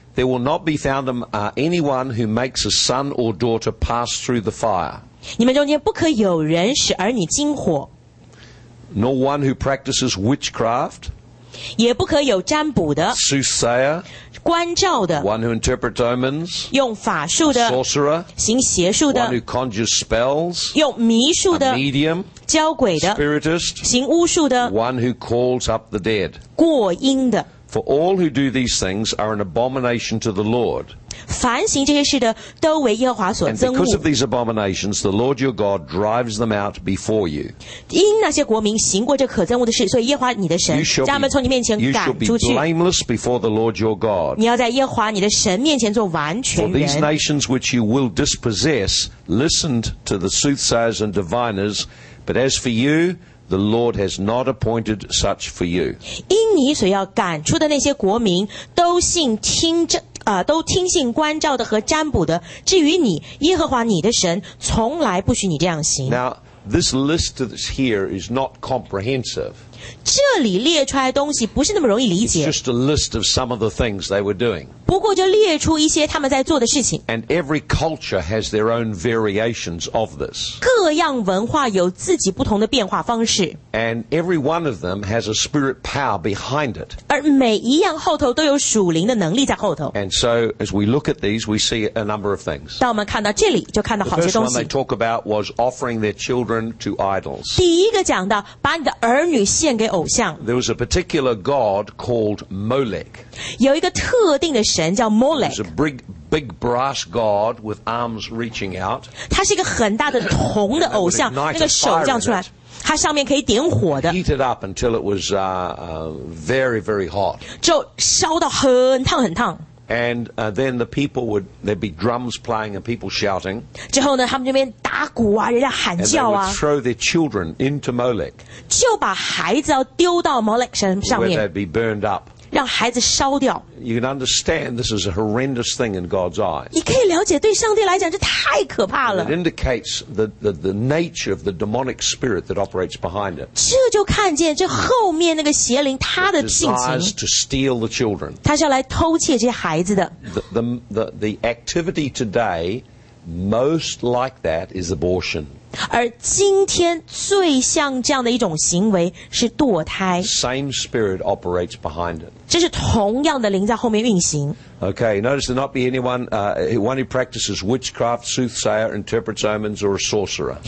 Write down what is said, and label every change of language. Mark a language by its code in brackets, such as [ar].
[en] There will not be found anyone who makes a son or daughter pass through the fire. [zh] 你们中间不可有人使儿女经火。 [en] Nor one who practices witchcraft. [zh] 也不可有占卜的 [en] Soothsayer [zh] 观照的 [en] One who interprets omens [zh] 用法术的 [en] Sorcerer [zh] 行邪术的 [en] One who conjures spells [zh] 用迷术的 [en] A medium [zh] 教鬼的 [en] Spiritist [zh] 行巫术的 [en] One who calls up the dead [zh] 过阴的 [en] For all who do these things are an abomination to the Lord [zh] 凡行这些事的都为耶和华所憎恶 [en] And because of these abominations the Lord your God drives them out before you [zh] 因那些国民行过这可憎恶的事所以耶和华你的神将他们从你面前赶出去 [en] You shall be blameless before the Lord your God [zh] 你要在耶和华你的神面前做完全人 [en] For these nations which you will dispossess listened to the soothsayers and diviners but as for youThe Lord has not appointed such for you. [zh] 因你所要赶出的那些国民都信听这都听信观照的和占卜的。至于你，耶和华你的神从来不许你这样行。 [en] Now, this list here is not comprehensive. [zh] 这里列出来的东西不是那么容易理解。 [en] It's just a list of some of the things they were doing. [zh] 不过就列出一些他们在做的事情。 [en] And every culture has their own variations of this. [zh] 各样文化有自己不同的变化方式。 [en] And every one of them has a spirit power behind it. [zh] 而每一样后头都有属灵的能力在后头。 [en] And so as we look at these, we see a number of things. [zh] 当我们看到这里就看到好些东西。 [en] The first one they talk about was offering their children to idols. [zh] 第一个讲到把你的儿女献给偶像。 [en] There was a particular god called Molech. [zh] 有一个特定的神叫 Molech. [en] It was a big brass god with arms reaching out. [zh] 它是一个很大的铜的偶像，那个手这样出来，它上面可以点火的。 [en] Heat it up until it was very very hot. [zh] 就烧到很烫很烫。 [en] And then the people would there'd be drums playing and people shouting. [zh] 之后呢，他们这边打鼓啊，人家喊叫啊。 [en] And they would throw their children into Molech. [zh] 就把孩子要丢到 Molech 身上面。 [en] Where they'd be burned up. [zh] 让孩子烧掉。 [en] You can understand this is a horrendous thing in God's eyes. [zh] 你可以了解，对上帝来讲，这太可怕了。 [en] It indicates the nature of the demonic spirit that operates behind it. [zh] 这就看见这后面那个邪灵他的性情。 [en] Desires to steal the children. [zh] 他是要来偷窃这些孩子的。 [en] The activity today most like that is abortion. [zh] 而今天最像这样的一种行为是堕胎。 [en] Same spirit operates behind it. [zh] 这是同样的灵在后面运行。 [en] Okay, notice there not be anyone, one who practices witchcraft, soothsayer, interprets omens, or a sorcerer.